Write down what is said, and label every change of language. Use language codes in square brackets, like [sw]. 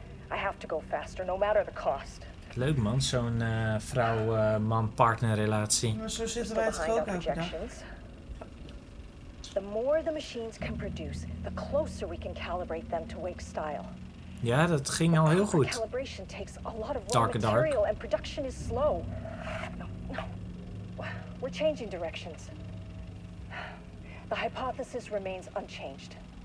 [en] I have to go faster, no matter the cost. [nl] Leuk man, zo'n vrouw-man-partnerrelatie. Maar zo zitten wij het ook over. [en] The more the machines can produce, the closer we can calibrate them to Wake's style. [nl] Ja, dat ging al heel goed. [en] Calibration takes a lot of work. Material and production is slow. No. We're changing directions. The hypothesis remains unchanged.